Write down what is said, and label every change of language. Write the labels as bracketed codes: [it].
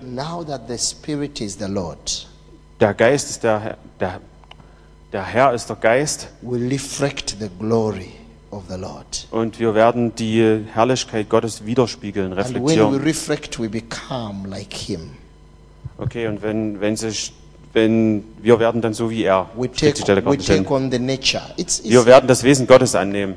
[en] now that the Spirit is the Lord, [de] der Geist ist der Herr, der Herr ist der Geist, [en] will reflect the glory of the Lord. [de] Und wir werden die Herrlichkeit Gottes widerspiegeln, reflektieren. [en] And when we reflect, we become like him. [de] Okay, und wenn wir werden dann so wie er. [en] We take on the nature. [de] Wir werden das Wesen Gottes annehmen.